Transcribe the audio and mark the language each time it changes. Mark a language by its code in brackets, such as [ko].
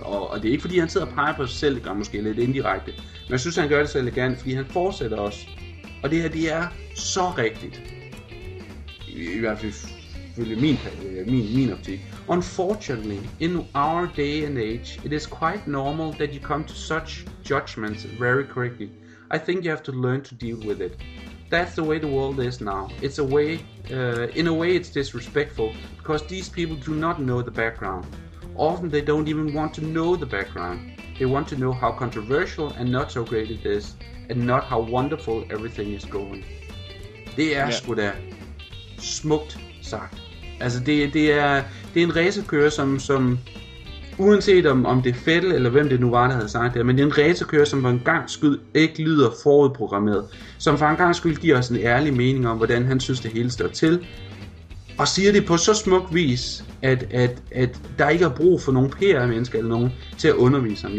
[da] Og det er ikke fordi, han sidder og peger på sig selv, det gør måske lidt indirekte, men jeg synes, han gør det så elegant, fordi han fortsætter også. Og det her, det er så rigtigt. I hvert fald selvfølgelig min optik. [en] Unfortunately, in our day and age, it is quite normal that you come to such judgments very quickly. I think you have to learn to deal with it. That's the way the world is now. It's a way, in a way it's disrespectful, because these people do not know the background. Often they don't even want to know the background. They want to know how controversial and not so great it is, and not how wonderful everything is going. [da] Det er sgu da smukt sagt. Altså det er en racerkører, som uanset om det er Fettel, eller hvem det nu var, der havde sagt det, men det er en racerkører, som for en gang skyld ikke lyder forudprogrammeret, som for en gang skyld giver os en ærlig mening om, hvordan han synes, det hele står til, og siger det på så smuk vis, at der ikke er brug for nogen PR-mennesker eller nogen til at undervise ham.